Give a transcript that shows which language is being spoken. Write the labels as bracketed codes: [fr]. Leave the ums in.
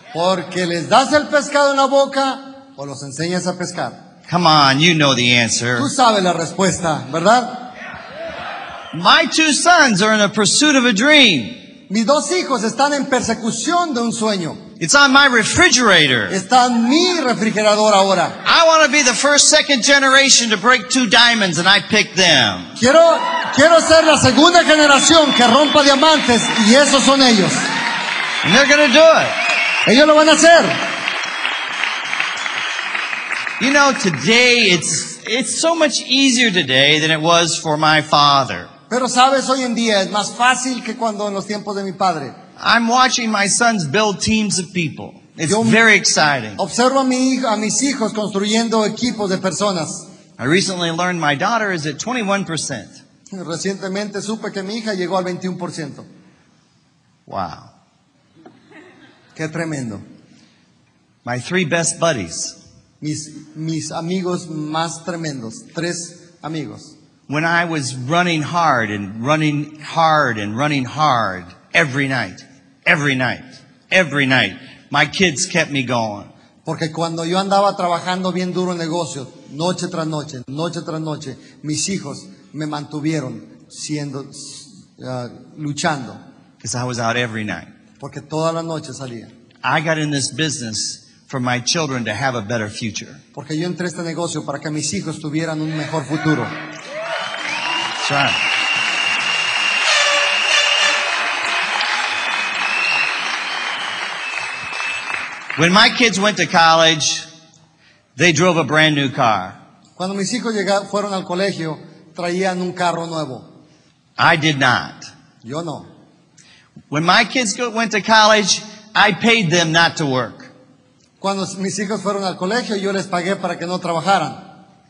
[es] Porque les das el pescado en la boca o los enseñas a pescar. [en] Come on, you know the answer. [es] Tú sabes la respuesta, ¿verdad? [en] My two sons are in a pursuit of a dream. [es] Mis dos hijos están en persecución de un sueño. [en] It's on my refrigerator. [es] Está en mi refrigerador ahora. [en] I want to be the first second generation to break two diamonds and I picked them. [es] Quiero quiero ser la segunda generación que rompa diamantes y esos son ellos. [en] And they're going to do it. [es] Ellos lo van a hacer. [en] You know, today it's it's so much easier today than it was for my father. [es] Pero sabes, hoy en día es más fácil que cuando en los tiempos de mi padre. [en] I'm watching my sons build teams of people. It's Yo very exciting. [es] Observo a, mi, a, mis hijos construyendo equipos de personas. [en] I recently learned my daughter is at 21%. [es] Recientemente supe que mi hija llegó al 21%. Wow. Qué tremendo. [en] My three best buddies. [es] mis, mis amigos más tremendos, tres amigos. [en] When I was running hard and running hard and running hard every night, every night, every night, my kids kept me going. [es] Porque cuando yo andaba trabajando bien duro en negocio, noche tras noche, noche tras noche, mis hijos me mantuvieron siendo uh, luchando. [en] Because I was out every night. [es] Porque todas las noches salía. [en] I got in this business for my children to have a better future. [es] Porque yo entré a este negocio para que mis hijos [en] right. [es] tuvieran un mejor futuro. [en] Sure. When my kids went to college, they drove a brand new car. [es] Cuando mis hijos llegaron, fueron al colegio, traían un carro nuevo. [en] I did not. [es] Yo no. [en] When my kids went to college, I paid them not to work. [es] cuando mis hijos fueron al colegio, yo les pagué para que no trabajaran.